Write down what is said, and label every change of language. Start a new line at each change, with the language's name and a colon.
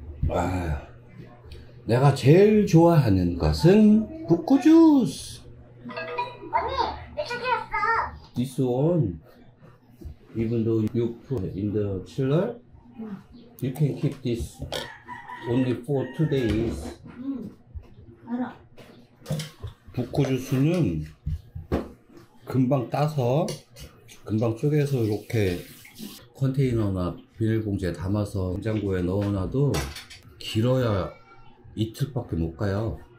Korean: 아, 내가 제일 좋아하는 것은 부꾸 주스. 언니, 미쳤어.
English: This one, even though you put in the chiller, you can keep this only for 2 days.
Korean: 알아. 부꾸 주스는 금방 따서 금방 쪼개서 이렇게 컨테이너나 비닐봉지에 담아서 냉장고에 넣어놔도 길어야 이틀밖에 못 가요.